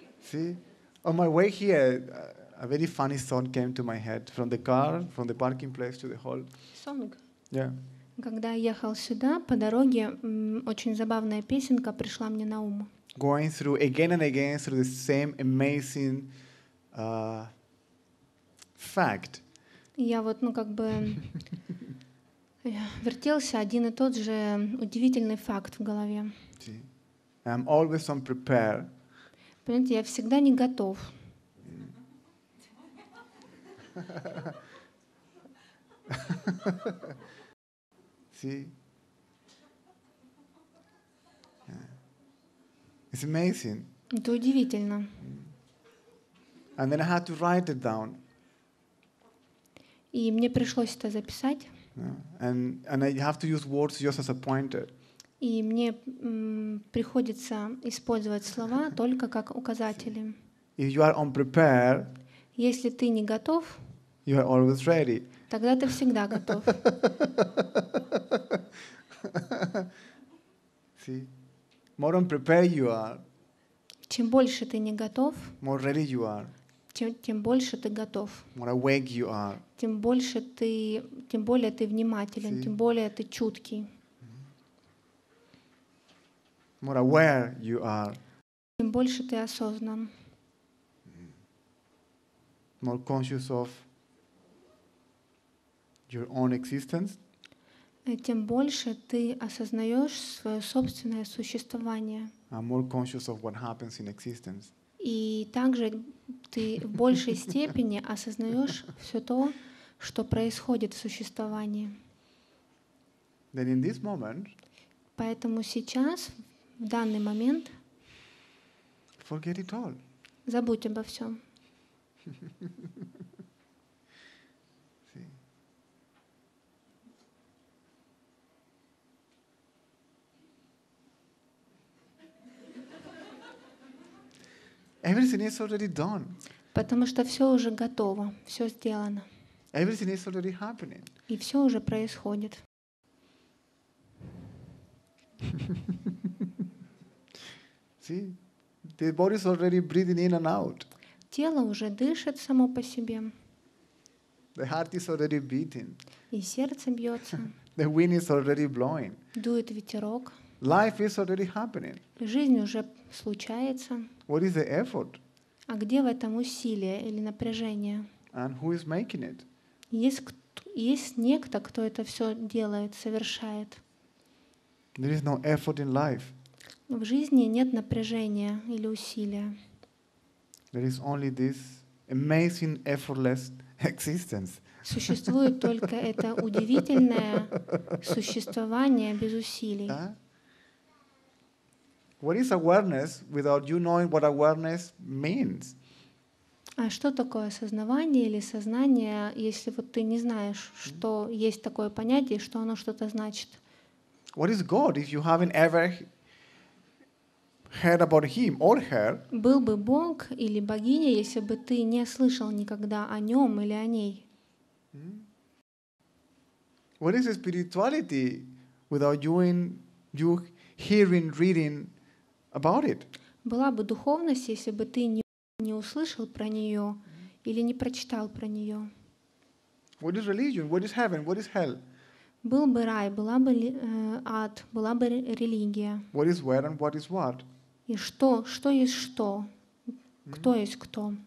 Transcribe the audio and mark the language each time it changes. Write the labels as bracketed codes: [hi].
[en] See, on my way here, a very funny song came to my head from the car, from the parking place to the hall. Song. Yeah. [ru] Когда я ехал сюда по дороге, очень забавная песенка пришла мне на ум. [en] Going through again and again through the same amazing fact. [ru] Я вот, ну как бы вертелся один и тот же удивительный факт в голове. [en] See? I'm always on prepare. [ru] Понимаете, я всегда не готов. [en] See? It's amazing. [ru] Это удивительно. [en] And then I had to write it down. [ru] И мне пришлось это записать. [en] Yeah. And I have to use words just as a pointer. [ru] И мне приходится использовать слова только как указатели. [en] If you are unprepared, [ru] если ты не готов, [en] you are always ready. [ru] Тогда ты всегда готов. [en] See? More unprepared you are, [ru] чем больше ты не готов, [en] more ready you are. [ru] Тем больше ты готов. [en] More awake you are. [ru] Тем больше ты, тем более ты внимателен, See? Тем более ты чуткий. [en] More aware you are. [ru] Тем больше ты осознан. [en] More conscious of your own existence. [ru] Тем больше ты осознаешь свое собственное существование. [en] I'm more conscious of what happens in existence. [ru] И также ты в большей степени осознаешь все то, что происходит в существовании. [en] Then in this moment, [ru] поэтому сейчас, в данный момент, [en] forget it all. [ru] Забудь обо всем. [en] Everything is already done. [ru] Потому что все уже готово, все сделано. [en] Everything is already happening. [ru] И все уже происходит. [en] See? The body is already breathing in and out. [ru] Тело уже дышит само по себе. [en] The heart is already beating. [ru] И сердце бьется. [en] The wind is already blowing. [ru] Дует ветерок. [en] Life is already happening. [ru] Жизнь уже случается. [en] What is the effort? [ru] А где в этом усилие или напряжение? [en] And who is making it? [ru] Есть некто, кто это все делает, совершает. [en] There is no effort in life. [ru] В жизни нет напряжения или усилия. [en] There is only this amazing, effortless existence. [ru] Существует только это удивительное существование без усилий. [en] What is awareness without you knowing what awareness means? [ru] А что такое осознавание или сознание, если вот ты не знаешь, что есть такое понятие, что оно что-то значит? [en] What is God if you haven't ever heard about him or her? [ru] Был бы Бог или богиня, если бы ты не слышал никогда о нем или о ней? [en] What is spirituality without you hearing, reading about it? [ru] Была бы духовность, если бы ты не услышал про нее или не прочитал про нее? [en] What is religion? What is heaven? What is hell? [ru] Был бы рай, была бы ад, была бы религия. [en] What is where and what is what? [ru] И что? Что есть что? Кто есть кто?